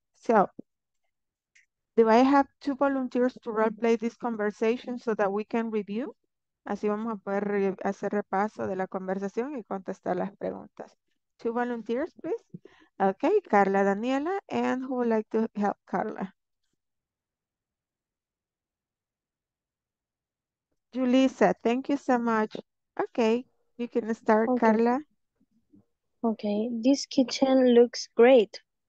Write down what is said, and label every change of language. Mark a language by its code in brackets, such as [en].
[en] So, do I have two volunteers to role play this conversation so that we can review? [es] Así vamos a poder hacer repaso de la conversación y contestar las preguntas. [en] Two volunteers, please. Okay, Carla Daniela, and who would like to help Carla? Julissa, thank you so much. Okay, you can start, okay. Carla. Okay, this kitchen looks great.